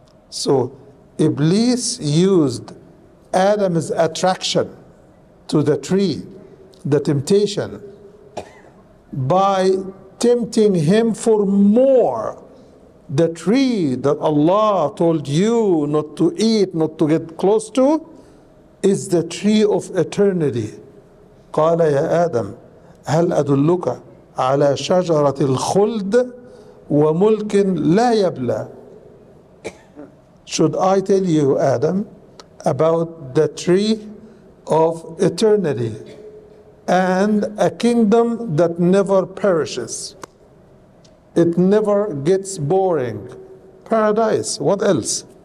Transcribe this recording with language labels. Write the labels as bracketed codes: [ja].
[en] So Iblis used Adam's attraction to the tree, the temptation, by tempting him for more. The tree that Allah told you not to eat, not to get close to, is the tree of eternity. [ar] قال يا آدم هل أدلك على شجرة الخلد وملك لا يبلى. [en] Should I tell you, Adam, about the tree of eternity and a kingdom that never perishes? It never gets boring. Paradise, what else?